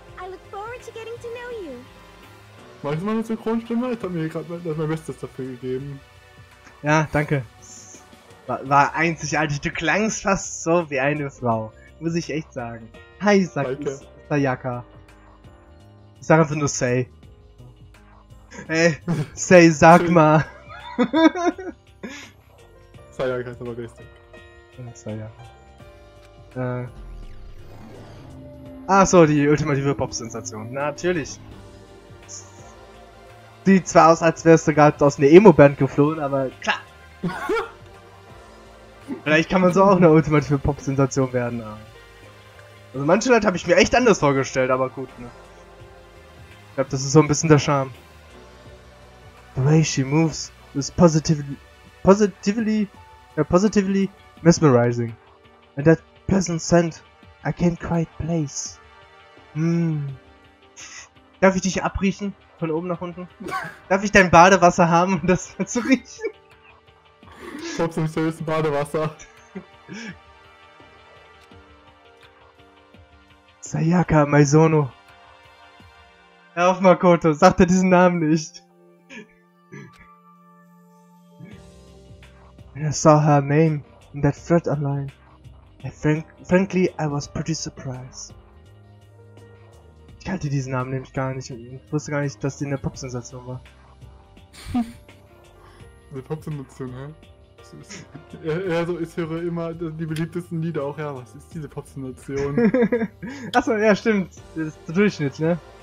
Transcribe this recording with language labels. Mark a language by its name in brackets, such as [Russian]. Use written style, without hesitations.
[English] I look forward to getting to know you. [German] Weißt du meine Synchronstimme? Ich hab mir gerade mein Bestes dafür gegeben. Ja, danke. War einzigartig, du klangst fast so wie eine Frau. Muss ich echt sagen. Hi, Sayaka. Ich sag einfach nur Say. Hey, Say, sag mal. Sayaka ist aber richtig. Sayaka. Ach so, die ultimative Pop-Sensation. Natürlich. Sieht zwar aus, als wärst du gerade aus einer Emo-Band geflohen, aber klar. Vielleicht kann man so auch eine ultimative Pop-Sensation werden. Also manche Leute habe ich mir echt anders vorgestellt, aber gut, ne? Ich glaube, das ist so ein bisschen der Charme. [English] The way she moves is positively mesmerizing. And that pleasant scent I can't quite place. [German] Hmm. Darf ich dich abriechen? Von oben nach unten? Darf ich dein Badewasser haben, um das zu riechen? Ich hab's nicht so ist ein Badewasser. Sayaka Maizono. Hör auf, Makoto, sag dir diesen Namen nicht. [English] When I saw her name in that thread online, frankly, I was pretty surprised. [German] Ich kannte diesen Namen nämlich gar nicht und wusste gar nicht, dass die eine Pop-Sensation war. Eine Pop-Sensation, hä? Ja, so, ich höre immer die beliebtesten Lieder auch, ja, was ist diese Pop-Sensation? Achso, ja, stimmt. Das ist der Durchschnitt, ne?